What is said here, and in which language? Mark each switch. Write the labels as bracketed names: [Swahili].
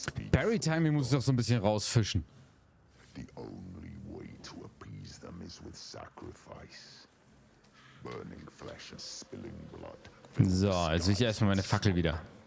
[German] Barry Timing muss ich doch so ein bisschen rausfischen. [English] The only way to appease them is with sacrifice. Burning flesh and spilling blood. [German] So, jetzt will ich erstmal meine Fackel wieder.